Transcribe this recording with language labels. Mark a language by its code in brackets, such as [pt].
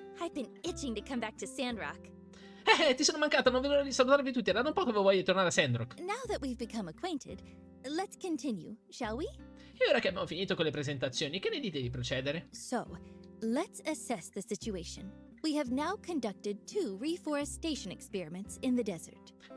[en] I've been itching to come back to Sandrock. [it] Ti sono mancata, non vedo l'ora di salutarvi tutti. Era da un po' che avevo voglia di tornare a Sandrock. [en] Now that we've become acquainted, let's continue, shall we? [it] E ora che abbiamo finito con le presentazioni, che ne dite di procedere? [en] So, let's assess the situation. We have now conducted two reforestation experiments in the desert.